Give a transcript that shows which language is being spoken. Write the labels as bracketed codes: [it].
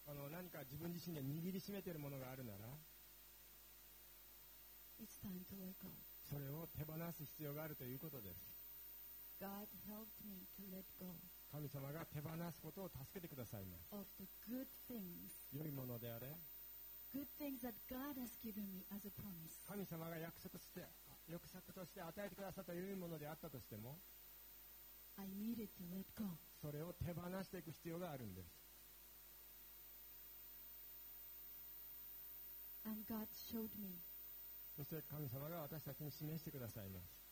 [ja] 何か自分自身で握りしめているものがあるなら、 [en] It's time to let go. [ja] それを手放す必要があるということです。 [en] God helped me to let go. [ja] 神様が手放すことを助けてくださいます。 [en] Of the good things. [ja] 良いものであれ。 [en] Good things that God has given me as a promise. [ja] 神様が約束として与えてくださった良いものであったとしても、 [en] I needed to let go. [ja] それを手放していく必要があるんです。 [en] And God showed me. [ja] そして神様が私たちに示してくださいます。